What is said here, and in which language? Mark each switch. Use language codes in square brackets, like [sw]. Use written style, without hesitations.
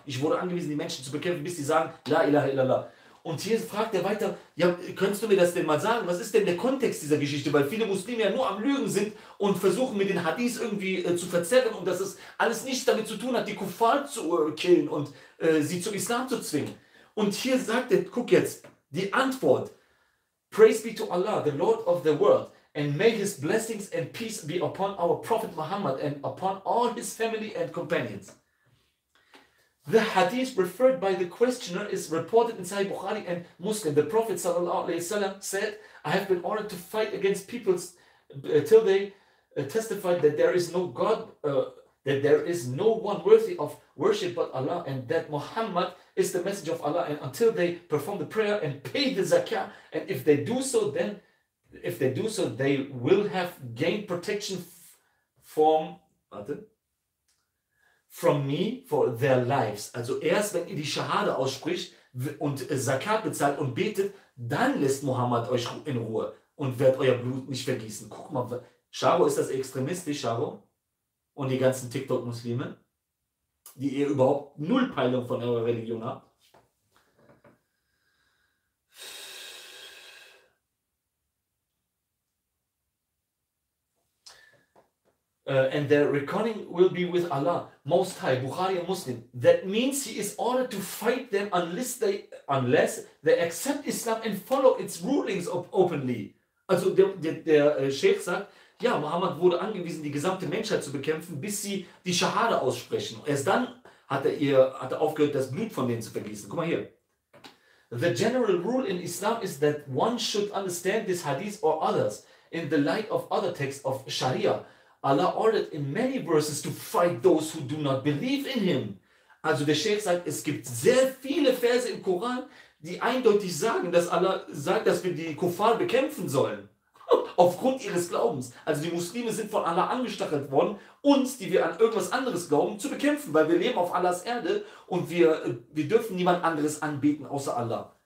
[de] Ich wurde angewiesen, die Menschen zu bekämpfen, bis sie sagen, [ar] la ilaha illallah. [de] Und hier fragt er weiter, ja, könntest du mir das denn mal sagen? Was ist denn der Kontext dieser Geschichte? Weil viele Muslime ja nur am Lügen sind und versuchen, mit den Hadith irgendwie zu verzerren und dass es alles nichts damit zu tun hat, die Kuffar zu killen und sie zum Islam zu zwingen. Und hier sagt er, guck jetzt, die Antwort. [en] Praise be to Allah, the Lord of the world, and may his blessings and peace be upon our Prophet Muhammad and upon all his family and companions. The hadith referred by the questioner is reported in Sahih Bukhari and Muslim. The Prophet [ar] sallallahu alayhi wa sallam [en] said, I have been ordered to fight against peoples till they testified that there is no God, that there is no one worthy of worship but Allah, and that Muhammad is the messenger of Allah, and until they perform the prayer and pay the zakah, and if they do so, then if they do so, they will have gained protection from me for their lives. [de] Also erst wenn ihr die Shahada ausspricht, und Zakat bezahlt und betet, dann lässt Mohammed euch in Ruhe und wird euer Blut nicht vergießen. Guck mal, Charo, ist das extremistisch, Charo? Und die ganzen TikTok-Muslime, die ihr überhaupt null Peilung von eurer Religion habt. [en] And the reckoning will be with Allah, Most High, Bukhari and Muslim. That means he is ordered to fight them unless they accept Islam and follow its rulings openly. [de] Also der Sheikh sagt, ja, Muhammad wurde angewiesen, die gesamte Menschheit zu bekämpfen, bis sie die Schahada aussprechen. Erst dann hat er aufgehört, das Blut von denen zu vergießen. Guck mal hier. [en] The general rule in Islam is that one should understand this hadith or others in the light of other texts of Sharia. Allah ordered in many verses to fight those who do not believe in him. [de] Also der Sheikh sagt, es gibt sehr viele Verse im Koran, die eindeutig sagen, dass Allah sagt, dass wir die Kuffar bekämpfen sollen. Aufgrund ihres Glaubens. Also die Muslime sind von Allah angestachelt worden, uns, die wir an irgendwas anderes glauben, zu bekämpfen. Weil wir leben auf Allahs Erde und wir dürfen niemand anderes anbeten außer Allah.